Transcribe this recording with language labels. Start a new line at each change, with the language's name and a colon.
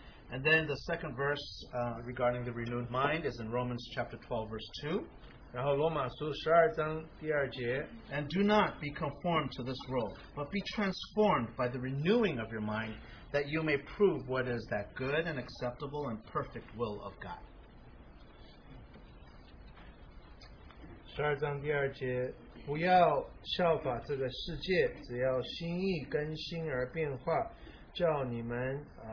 English: And then the second verse regarding the renewed mind is in Romans chapter 12, verse 2.
Chinese: 然后罗马书十二章第二节,
English: and do not be conformed to this world, but be transformed by the renewing of your mind, that you may prove what is that good and acceptable and perfect will of God.
Chinese: 十二章第二节,不要效法这个世界,只要心意更新而变化,叫你们